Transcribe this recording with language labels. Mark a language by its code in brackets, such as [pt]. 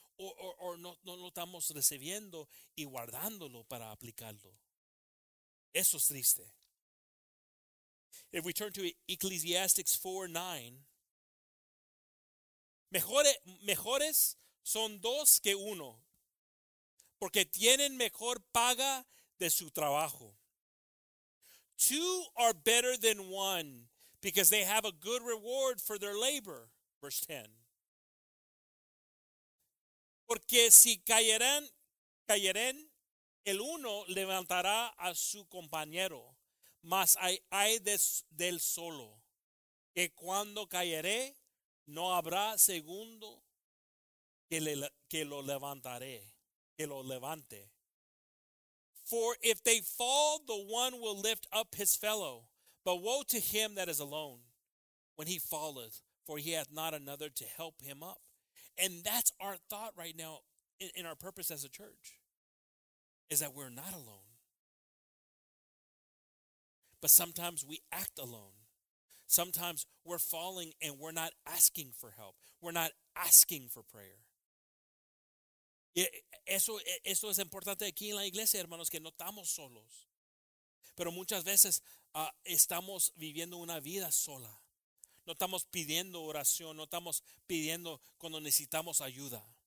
[es] O no lo estamos recibiendo y guardándolo para aplicarlo. Eso es triste. [en] If we turn to Ecclesiastes 4:9, [es] mejores son dos que uno, porque tienen mejor paga de su trabajo. [en] Two are better than one because they have a good reward for their labor. Verse 10. [es] Porque si cayeren, el uno levantará a su compañero, mas ay del solo, que cuando cayere no habrá segundo que lo levante. [en] For if they fall, the one will lift up his fellow. But woe to him that is alone when he falleth, for he hath not another to help him up. And that's our thought right now in our purpose as a church, is that we're not alone. But sometimes we act alone. Sometimes we're falling and we're not asking for help. We're not asking for prayer. [es] Eso es importante aquí en la iglesia, hermanos, que no estamos solos. Pero muchas veces estamos viviendo una vida sola. No estamos pidiendo oración, no estamos pidiendo cuando necesitamos ayuda.